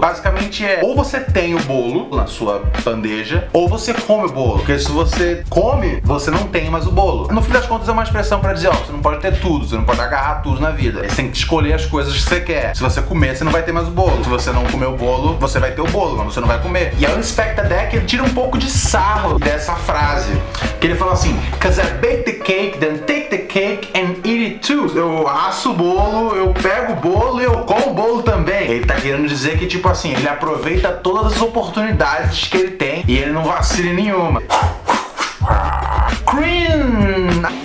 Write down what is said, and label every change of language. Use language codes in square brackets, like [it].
[pt] Basicamente é, ou você tem o bolo na sua bandeja, ou você come o bolo. Porque se você come, você não tem mais o bolo. No fim das contas é uma expressão pra dizer, ó, você não pode ter tudo, você não pode agarrar tudo na vida. Você tem que escolher as coisas que você quer. Se você comer, você não vai ter mais o bolo. Se você não comer o bolo, você vai ter o bolo, mas você não vai comer. E aí o Inspectadeck tira um pouco de sarro dessa frase. Que ele fala assim, [en] 'cause I bake the cake, then take the cake and eat it too. [pt] Eu asso o bolo, eu pego o bolo e eu como o bolo também. Ele tá querendo dizer que, tipo assim, ele aproveita todas as oportunidades que ele tem e ele não vacila nenhuma. Cream!